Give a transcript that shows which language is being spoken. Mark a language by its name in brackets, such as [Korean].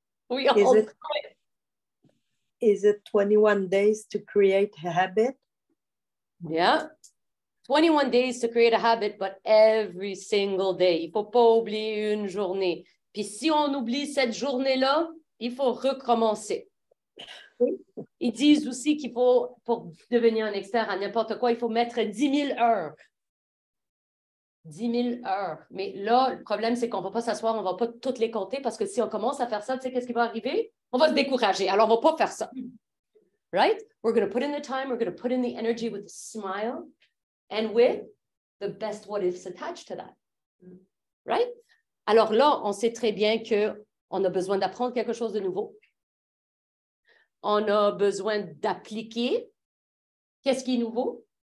[English] We all is it, is it 21 days to create a habit? Yeah, 21 days to create a habit, but every single day. [French] Il faut pas oublier une journée. Puis si on oublie cette journée-là, il faut recommencer. Ils disent aussi qu'il faut, pour devenir un expert à n'importe quoi, il faut mettre 10 000 heures. 10 000 heures. Mais là, le problème, c'est qu'on ne va pas s'asseoir, on ne va pas toutes les compter parce que si on commence à faire ça, tu sais qu'est-ce qui va arriver? On va se décourager. Alors, on ne va pas faire ça. Right? [English] We're going to put in the time, we're going to put in the energy with a smile and with the best what ifs attached to that. Right? [French] Alors là, on sait très bien qu'on a besoin d'apprendre quelque chose de nouveau. On a besoin d'appliquer qu'est-ce qui est nouveau.